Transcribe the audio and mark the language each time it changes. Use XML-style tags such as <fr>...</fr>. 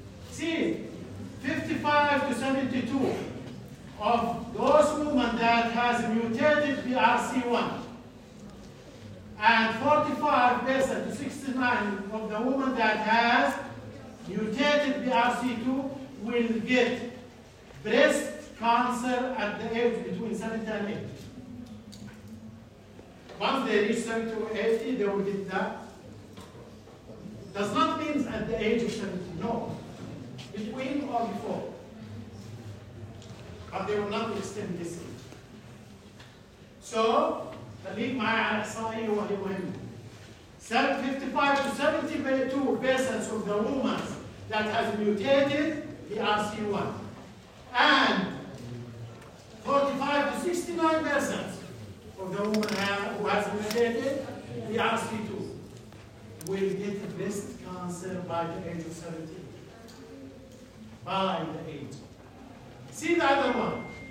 <en>see 55 to 72 of those women that has mutated BRC1 and 45% to 69% of the woman that has mutated BRC2 will get breast cancer at the age between 70 and 80. Once they reach 70 or 80, they will get that. Does not mean at the age of 70, no. Between or before. But they will not extend this age.</en> <ar>So, خليك معايا على الإحصائية وهي مهمة.</ar> <en>55 to 72 persons of the woman that has mutated BRC1 and 45 to 69 persons of the woman who has mutated BRC2 will get breast cancer by the age of 70. By the age. See the other one.</en>